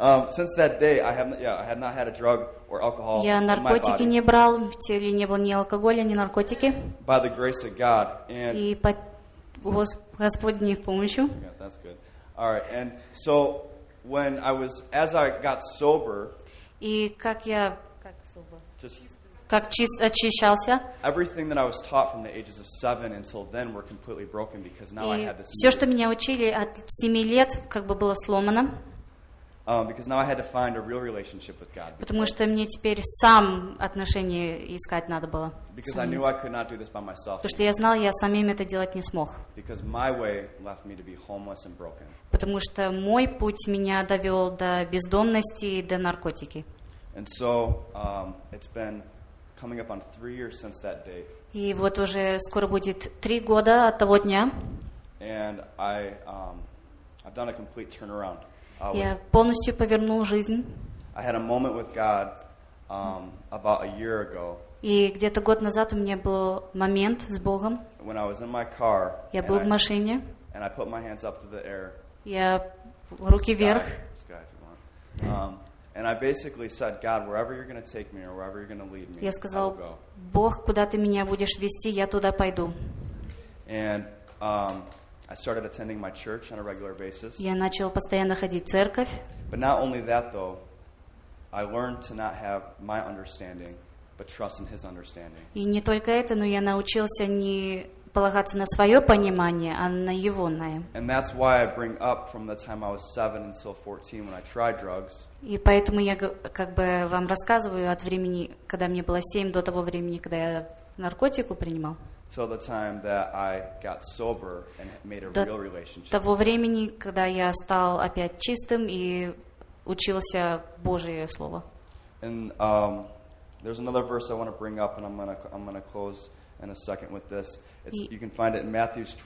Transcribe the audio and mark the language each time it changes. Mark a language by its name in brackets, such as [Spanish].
[English] since that day, I have not had a drug or alcohol in my body. [Russian] Я наркотики не брал, в теле не было ни алкоголя, ни наркотики. [English] By the grace of God. And [Russian] и под Господней помощью. [English] Yeah, that's good. All right. And so when I was, as I got sober. [Russian] И как я [English] just, [Russian] как очищался. [English] Everything that I was taught from the ages of 7 until then were completely broken because now [Russian] и [English] I had this. [Russian] Все, что меня учили от 7 лет, как бы было сломано. [English] Because now I had to find a real relationship with God. [Russian] Потому что мне теперь сам отношения искать надо было. [English] Because I knew I could not do this by myself. [Russian] Потому что я знал, я самим это делать не смог. [English] Because my way left me to be homeless and broken. [Russian] Потому что мой путь меня довел до бездомности и до наркотики. [English] And so it's been coming up on 3 years since that day. [Russian] И вот уже скоро будет 3 года от того дня. [English] And I've done a complete turnaround. [Russian] Я полностью повернул жизнь. [English] I had a moment with God about a year ago. [Russian] И где-то год назад у меня был момент с Богом. [English] When I was in my car. [Russian] Я был в машине. [English] And I put my hands up to the air. [Russian] Я руки вверх. [English] Sky, if you want. And I basically said, God, wherever you're going to take me or wherever you're going to lead me, [Russian] я сказал, Бог, куда ты меня будешь вести, я туда пойду. [English] And I started attending my church on a regular basis. [Russian] Я начал постоянно ходить в церковь. [English] But not only that, though, I learned to not have my understanding, but trust in His understanding. [Russian] И не только это, но я научился не полагаться на свое понимание, а на Его. [English] And that's why I bring up from the time I was 7 until 14 when I tried drugs. [Russian] И поэтому я как бы вам рассказываю от времени, когда мне было 7, до того времени, когда я наркотику принимал. [English] Till the time that I got sober and made a [Russian] до [English] real relationship. [Russian] Того времени, когда я стал опять чистым и учился Божье слово. [English] And there's another verse I want to bring up, and I'm gonna close in a second with this. It's, you can find it in Matthew 12.